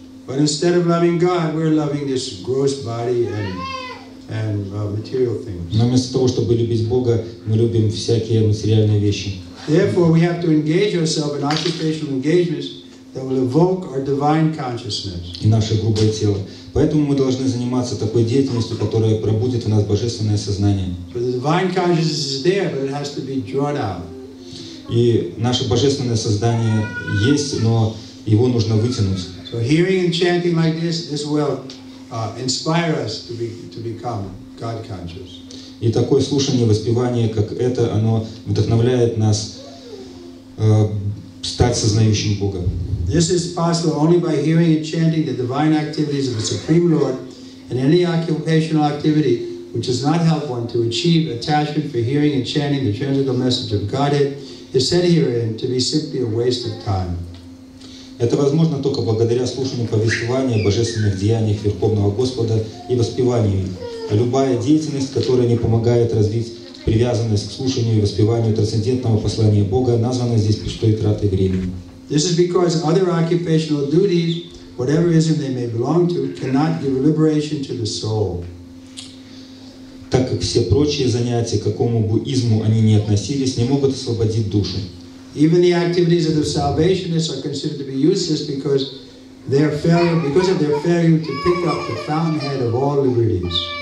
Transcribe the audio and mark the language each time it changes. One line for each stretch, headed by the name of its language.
English: But instead of loving God, we're loving this gross body and material things.
Russian: Но вместо того, чтобы любить Бога, мы любим всякие материальные вещи.
English: Therefore, we have to engage ourselves in occupational engagements that will evoke our divine consciousness.
Russian: И наше грубое тело. Поэтому мы должны заниматься такой деятельностью, которая пробудит в нас божественное сознание.
English: But the divine consciousness is there, but it has to be drawn out.
Russian: И наше божественное сознание есть, но его нужно вытянуть.
English: So hearing and chanting like this will inspire us to become God conscious.
Russian: И такое слушание, воспевание, как это, оно вдохновляет нас стать сознающим Бога.
English: This is possible only by hearing and chanting the divine activities of the Supreme Lord, and any occupational activity which does not help one to achieve attachment for hearing and chanting the transcendental message of Godhead is said herein to be simply a waste of time.
Russian: Это возможно только благодаря слушанию повествования о божественных деяниях Верховного Господа и воспеванию их. А любая деятельность, которая не помогает развить привязанность к слушанию и воспеванию трансцендентного послания Бога, названа здесь пустой тратой времени.
English: This is because other occupational duties, whatever ism they may belong to, cannot give liberation to the soul.
Russian: Так как все прочие занятия, к какому бы изму они ни относились, не могут освободить душу.
English: Even the activities of the salvationists are considered to be useless because of their failure to pick up the fountainhead of all liberties.